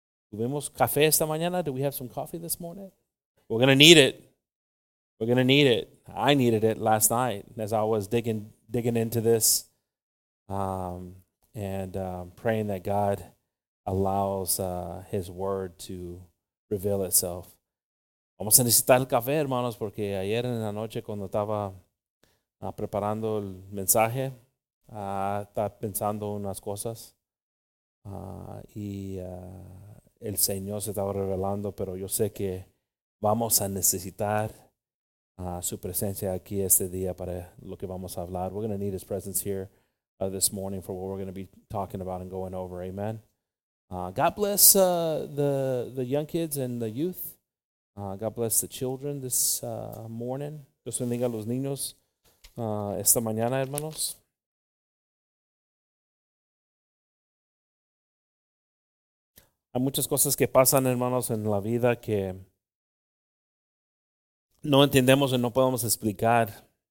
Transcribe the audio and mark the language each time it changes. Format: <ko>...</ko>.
<es>¿Tuvimos café esta mañana?</es> <en>Do we have some coffee this morning? We're going to need it. We're going to need it. I needed it last night as I was digging into this praying that God allows his word to reveal itself.</en> <es>Vamos a necesitar el café, hermanos, porque ayer en la noche cuando estaba preparando el mensaje, estaba pensando unas cosas y el Señor se estaba revelando, pero yo sé que vamos a necesitar su presencia aquí este día para lo que vamos a hablar.</es> <en>We're going to need his presence here this morning for what we're going to be talking about and going over. Amen. God bless the young kids and the youth. God bless the children this morning.</en> <es>Dios bendiga a los niños esta mañana, hermanos. Hay muchas cosas que pasan, hermanos, en la vida que no entendemos y no podemos explicar.</es>